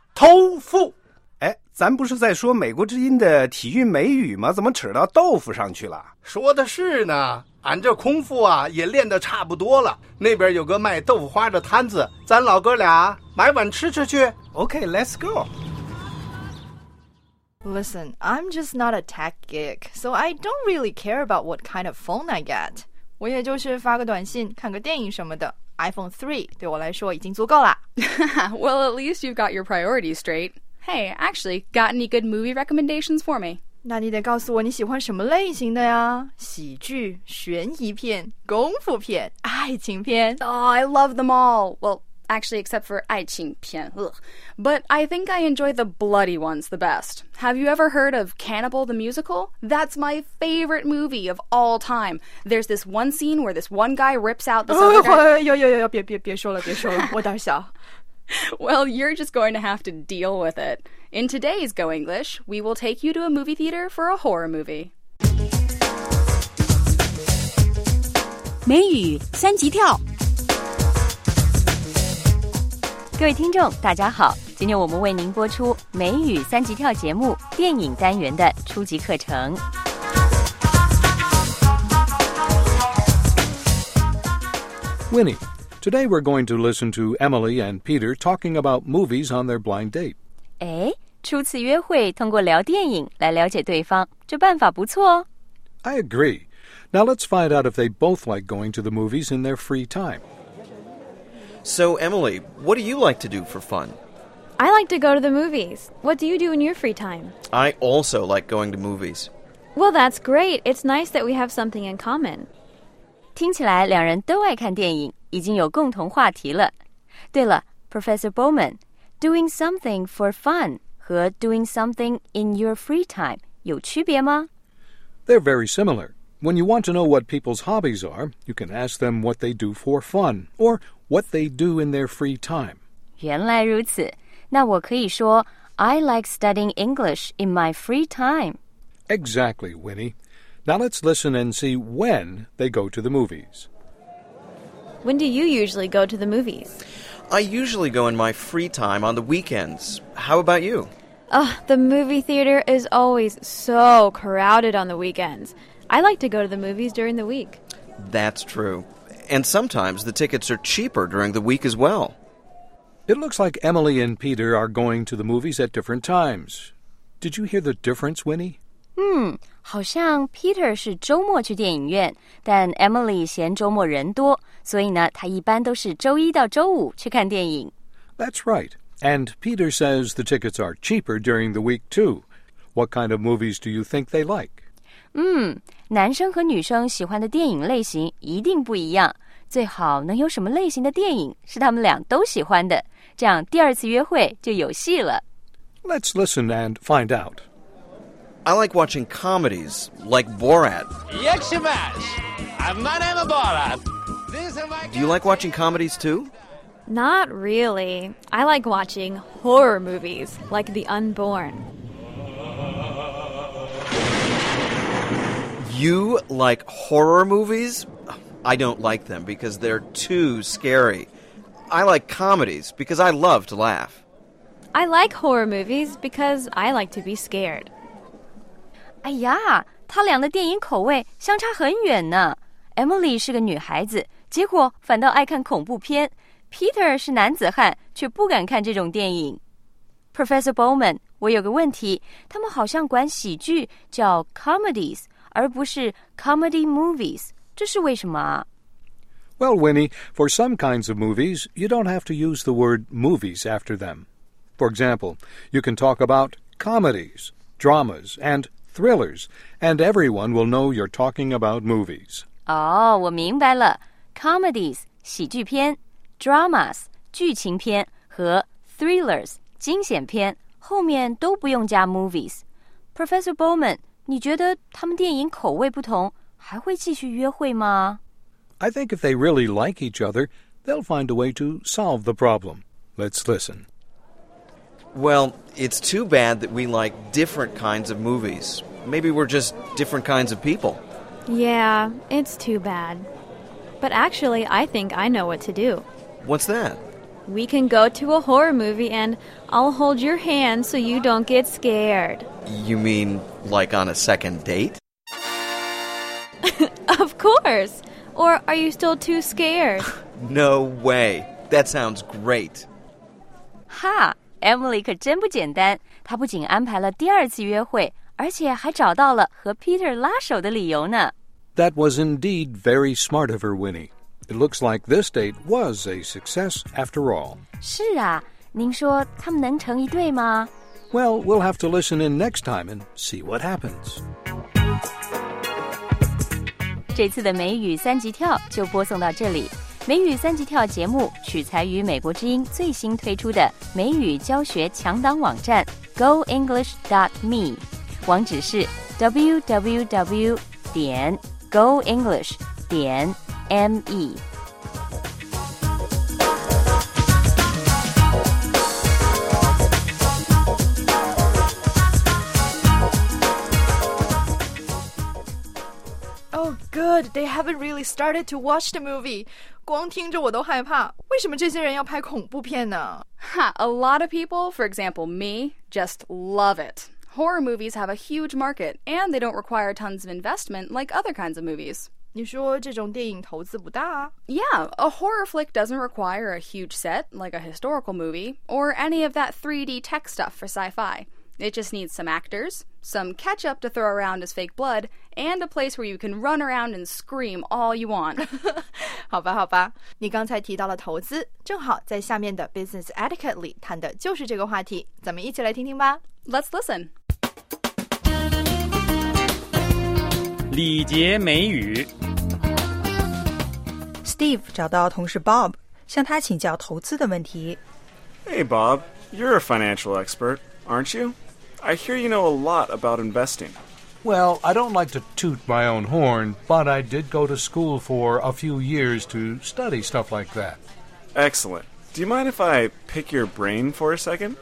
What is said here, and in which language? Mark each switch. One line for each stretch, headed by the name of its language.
Chinese: 豆腐。哎，咱不是在说美国之音的体育美语吗？怎么扯到豆腐上去了？说的是呢，俺这空腹啊也练得差不多了。那边有个卖豆腐花的摊子，咱老哥俩买碗吃吃去。
English: Okay, let's go. Listen, I'm just not a tech geek, so I don't really care about what kind of phone I get.
Chinese: 我也就是发个短信，看个电影什么的。iPhone 3对我来说已经足够了。
English: Well, at least you've got your priorities straight. Hey, actually, got any good movie recommendations for me?
Chinese: 那你得告诉我你喜欢什么类型的呀？喜剧、悬疑片、功夫片、爱情片。
English: Oh, I love them all. Well, Actually, except for 爱情片, ugh. But I think I enjoy the bloody ones the best. Have you ever heard of Cannibal the Musical? That's my favorite movie of all time. There's this one scene where this one guy rips out this other guy.
Chinese: 别说了，我胆小。
English: Well, you're just going to have to deal with it. In today's Go English, we will take you to a movie theater for a horror movie.
Chinese: 美语三级跳。各位听众，大家好，今天我们为您播出美语三级跳节目电影单元的初级课程。
English: Winnie, today we're going to listen to Emily and Peter talking about movies on their blind date.
Chinese: 哎，初次约会通过聊电影来了解对方，这办法不错哦。
English: I agree. Now let's find out if they both like going to the movies in their free time. So, Emily, what do you like to do for fun? I like to go to the movies. What do you do in your free time? I also like going to movies. Well, that's great. It's nice that we have something in common.
Chinese: 听起来两人都爱看电影，已经有共同话题了。对了，
English: Professor Bowman, doing something for fun 和 doing something in your free time
Chinese: 有区别吗？
English: They're very similar. When you want to know what people's hobbies are, you can ask them what they do for fun, or... what they do in their free time.
Chinese: 原来如此。那我可以说
English: I like studying English in my free time. Exactly, Winnie. Now let's listen and see when they go to the movies. When do you usually go to the movies? I usually go in my free time on the weekends. How about you? Oh, the movie theater is always so crowded on the weekends. I like to go to the movies during the week. That's true. And sometimes the tickets are cheaper during the week as well. It looks like Emily and Peter are going to the movies at different times. Did you hear the difference, Winnie?
Chinese: 好像 Peter 是周末去电影院，但 Emily 嫌周末人多，所以呢，他一般都是周一到周五去看电影。
English: That's right. And Peter says the tickets are cheaper during the week, too. What kind of movies do you think they like?
Chinese: 男生和女生喜欢的电影类型一定不一样。最好能有什么类型的电影是他们俩都喜欢的，这样第二次约会就有戏了。
English: Let's listen and find out. I like watching comedies like Borat. Yakshabash! My name is Borat. Do you like watching comedies too? Not really. I like watching horror movies like The Unborn. You like horror movies? I don't like them because they're too scary. I like comedies because I love to laugh. I like horror movies because I like to be scared.
Chinese: 哎呀，他俩的电影口味相差很远呢。 Emily 是个女孩子，结果反倒爱看恐怖片。 Peter 是男子汉，却不敢看这种电影。Professor Bowman, 我有个问题，他们好像管喜剧叫 comedies。而不是
English: comedy movies,
Chinese: 这是为什么啊?
English: Well, Winnie, for some kinds of movies, you don't have to use the word movies after them. For example, you can talk about comedies, dramas, and thrillers, and everyone will know you're talking about movies.
Chinese: 哦,我明白了。 Comedies, 喜剧片, dramas, 剧情片, 和 thrillers, 惊险片, 后面都不用加 movies. Professor Bowman,你觉得他们电影口味不同，还会继续约会吗?
English: I think if they really like each other, they'll find a way to solve the problem. Let's listen. Well, it's too bad that we like different kinds of movies. Maybe we're just different kinds of people. Yeah, it's too bad. But actually, I think I know what to do. What's that? We can go to a horror movie and I'll hold your hand so you don't get scared. You mean... Like on a second date? Of course! Or are you still too scared? No way! That sounds great! Ha!
Chinese: Emily 可真不简单，她不仅安排了第二次约会，而且还找到了和 Peter 拉手的理由呢。
English: That was indeed very smart of her, Winnie. It looks like this date was a success after all.
Chinese: 是啊，您说他们能成一对吗？
English: Well, we'll have to listen in next time and see what happens.
Chinese: 这次的美语三级跳就播送到这里。美语三级跳节目取材于美国之音最新推出的美语教学强档网站 goenglish.me， 网址是 www.goenglish.me。
English: Good, they haven't really started to watch the movie.
Chinese: 光听着我都害怕，为什么这些人要拍恐怖片呢？
English: A lot of people, for example me, just love it. Horror movies have a huge market, and they don't require tons of investment like other kinds of movies.
Chinese: 你说这种电影投资不大啊？
English: Yeah, a horror flick doesn't require a huge set, like a historical movie, or any of that 3D tech stuff for sci-fi. It just needs some actors,some ketchup to throw around as fake blood, and a place where you can run around and scream all you want.
Chinese: 好吧，好吧，你刚才提到了投资，正好在下面的 Business Etiquette 里谈的就是这个话题，咱们一起来听听吧。
English: Let's listen.
Chinese: 礼节美语。 Steve 找到同事 Bob， 向他请教投资的问题。
English: Hey Bob, you're a financial expert, aren't you? I hear you know a lot about investing. Well, I don't like to toot my own horn, but I did go to school for a few years to study stuff like that. Excellent. Do you mind if I pick your brain for a second?